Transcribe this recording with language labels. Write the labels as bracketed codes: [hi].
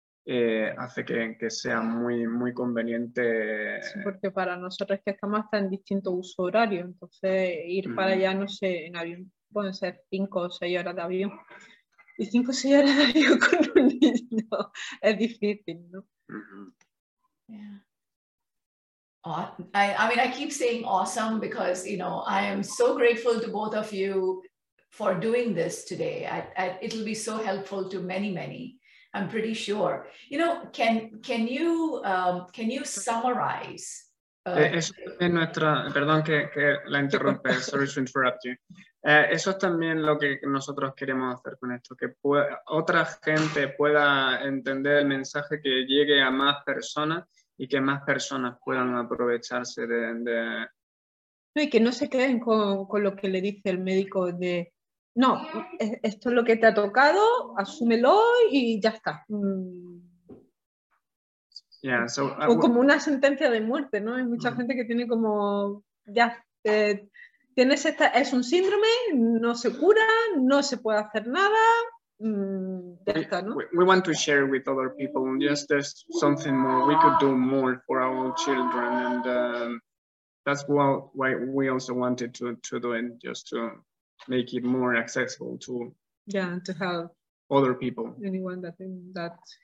[es] Hace que sea muy, muy conveniente. Sí, porque para nosotros es que estamos hasta en distinto uso horario, entonces ir para allá, no sé, en avión, pueden ser 5 o 6 horas de avión, y 5 o 6 horas de avión con un niño, es difícil, ¿no? [en] Yeah. I mean, I keep saying awesome because, you know, I am so grateful to both of you for doing this today. It'll be so helpful to many, many. I'm pretty sure. You know, can you summarize? [es] Perdón que la interrumpe. [en] Sorry to interrupt you. [es] Eso es también lo que nosotros queremos hacer con esto, que otra gente pueda entender el mensaje, que llegue a más personas y que más personas puedan aprovecharse de... No, y que no se queden con lo que le dice el médico de... No, esto es lo que te ha tocado, asúmelo y ya está. [en] Yeah, so, [es] o como una sentencia de muerte, ¿no? Hay mucha gente que tiene como, ya, tienes esta, es un síndrome, no se cura, no se puede hacer nada, ya está, ¿no? [en] We want to share with other people, yes, there's something more, we could do more for our children and... that's why we also wanted to do it, just to make it more accessible to To help other people. Anyone that in that.